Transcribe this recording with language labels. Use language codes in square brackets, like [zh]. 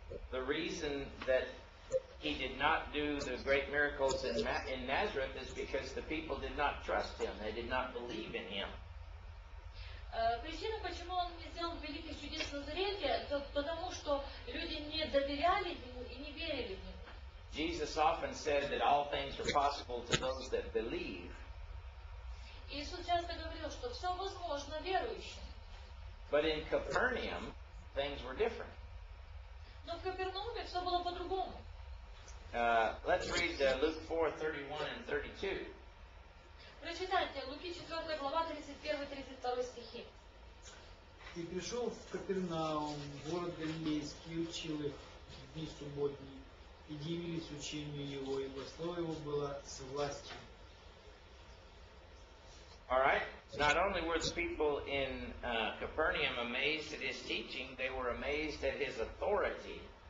[en] The reason that he did not do the great miracles in Nazareth is because the people did not trust him. They did not believe in him. [ru] Причина, почему он не сделал великих чудес в Назарете, это потому, что люди не доверяли ему и не верили в него. [en] Jesus often said that all things are possible to those that believe. [ru] Иисус часто говорил, что все возможно верующим. [en] But in Capernaum, things were different. [ru] Но в Капернауме все было по-другому. [en] Let's read Luke 4, 31 and 32. [ru] Прочитайте Луки 4, глава 31-32 стихи. И пришел в Капернаум, город Галилейский, и учил их в дни субботние, и дивились учению его, ибо слово его было с властью. [en] All right. Not only were the people in Capernaum amazed at his teaching, they were amazed at his authority.